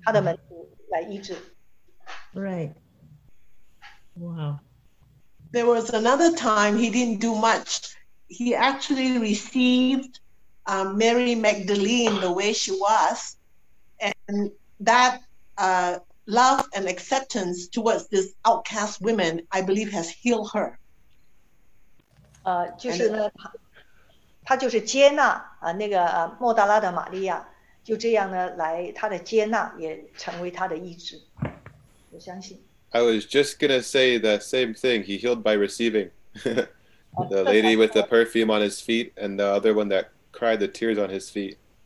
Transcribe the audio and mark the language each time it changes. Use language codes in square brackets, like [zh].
[zh] 他透过差遣他的门徒来医治。Right. [en] Wow. There was another time he didn't do much. He actually received Mary Magdalene the way she was. And that love and acceptance towards this outcast woman, I believe, has healed her. [zh] 就是呢，他就是接纳那个莫大拉的玛利亚，就这样呢，来他的接纳也成为他的医治。我相信。 [en] I was just gonna say the same thing. He healed by receiving. The lady with the perfume on his feet, and the other one that cried the tears on his feet.